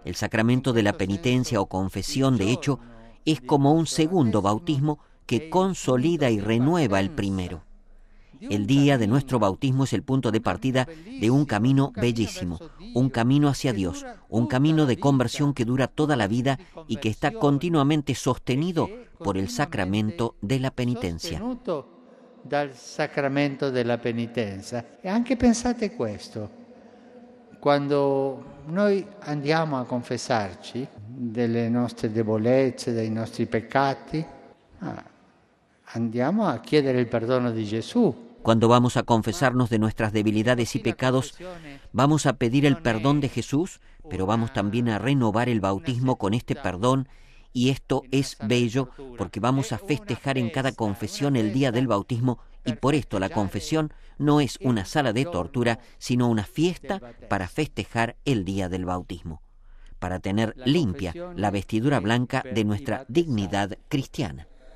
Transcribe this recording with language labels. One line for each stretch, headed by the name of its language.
Spanish: El sacramento de la penitencia o confesión, de hecho, es como un segundo bautismo que consolida y renueva el primero. El día de nuestro bautismo es el punto de partida de un camino bellísimo, un camino hacia Dios, un camino de conversión que dura toda la vida y que está continuamente sostenido por el sacramento de la penitencia.
Italian: Dal sacramento della penitenza. E anche pensate questo: quando noi andiamo a confessarci delle nostre debolezze, dei nostri peccati, andiamo a chiedere il perdono di Gesù.
Spanish: Quando vamos a confesarnos de nuestras debilidades y pecados, vamos a pedir el perdón de Jesús, pero vamos también a renovar el bautismo con este perdón. Y esto es bello, porque vamos a festejar en cada confesión el día del bautismo, y por esto la confesión no es una sala de tortura, sino una fiesta para festejar el día del bautismo, para tener limpia la vestidura blanca de nuestra dignidad cristiana.